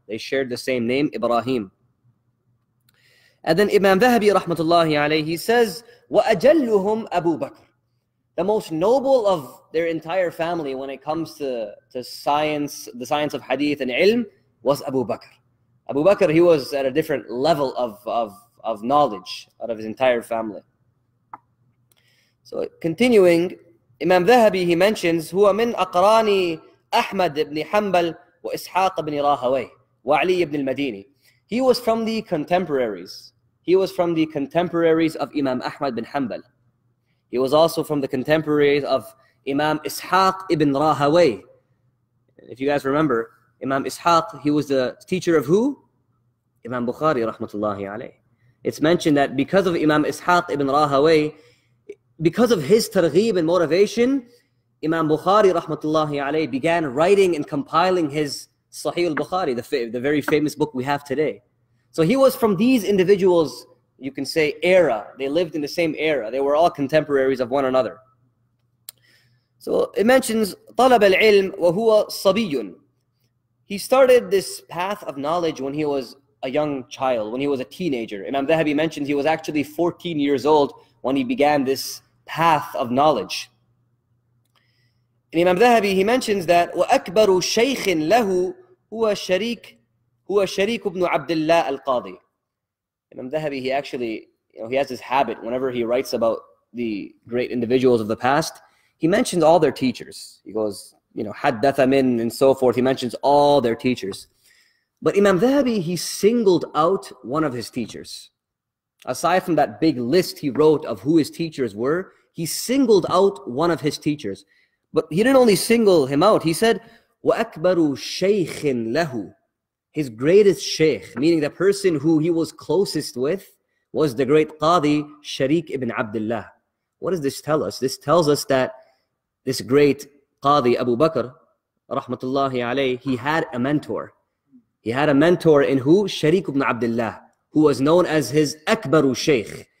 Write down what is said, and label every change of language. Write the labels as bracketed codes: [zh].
[en] They shared the same name, Ibrahim. And then Imam Zahabi, rahmatullahi alayhi, he says, [ar] وَأَجَلُّهُمْ أَبُو بَكْرِ. [en] The most noble of their entire family when it comes to science, the science of hadith and ilm, was Abu Bakr. Abu Bakr, he was at a different level of knowledge out of his entire family. So continuing, Imam Zahabi, he mentions, [ar] هو من أقران أحمد بن حنبل وإسحاق بن راهوي وعلي بن المديني. [en] He was from the contemporaries. He was from the contemporaries of Imam Ahmad bin Hanbal. He was also from the contemporaries of Imam Ishaq ibn Rahaway. If you guys remember, Imam Ishaq, he was the teacher of who? Imam Bukhari, rahmatullahi alayhi. It's mentioned that because of Imam Ishaq ibn Rahaway, because of his targhib and motivation, Imam Bukhari, rahmatullahi alayhi, began writing and compiling his Sahih al-Bukhari, the very famous book we have today. So he was from these individuals, you can say, era. They lived in the same era. They were all contemporaries of one another. So it mentions, [ar] طلب العلم وهو صبي. [en] He started this path of knowledge when he was a young child, when he was a teenager. Imam Zahabi mentions he was actually 14 years old when he began this path of knowledge. And Imam Zahabi, he mentions that, [ar] وأكبر شيخ له هو شريك هو شريك ابن عبد الله القاضي. [en] Imam Zahabi, he actually, you know, he has this habit whenever he writes about the great individuals of the past, he mentions all their teachers. He goes, you know, [ar] حدث من [en] and so forth. He mentions all their teachers. But Imam Zahabi, he singled out one of his teachers. Aside from that big list he wrote of who his teachers were, he singled out one of his teachers. But he didn't only single him out. He said, [ar] وَأَكْبَرُ شَيْخٍ لَهُ. [en] His greatest sheikh, meaning the person who he was closest with, was the great Qadi Shariq ibn Abdullah. What does this tell us? This tells us that this great Qadi Abu Bakr, rahmatullahi alayhi, he had a mentor. He had a mentor in who? Shariq ibn Abdullah, who was known as his akbaru sheikh.